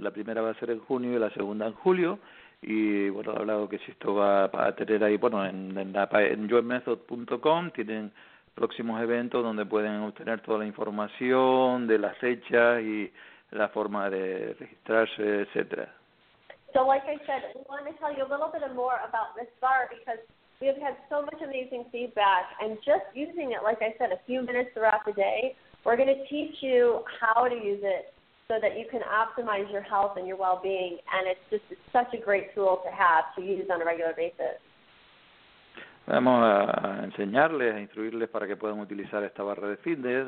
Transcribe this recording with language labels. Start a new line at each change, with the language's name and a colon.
Spanish: La primera va a ser en junio y la segunda en julio. Y bueno, he hablado que si esto va a tener ahí, bueno, en joymethod.com tienen próximos eventos donde pueden obtener toda la información de las fechas y la forma de registrarse, etcétera.
English: So like I said, we want to tell you a little bit more about this bar because we have had so much amazing feedback and just using it, like I said, a few minutes throughout the day, we're going to teach you how to use it so that you can optimize your health and your well-being, and it's just such a great tool to have to use on a regular basis.
Spanish: Vamos a enseñarles, a instruirles para que puedan utilizar esta barra de fitness.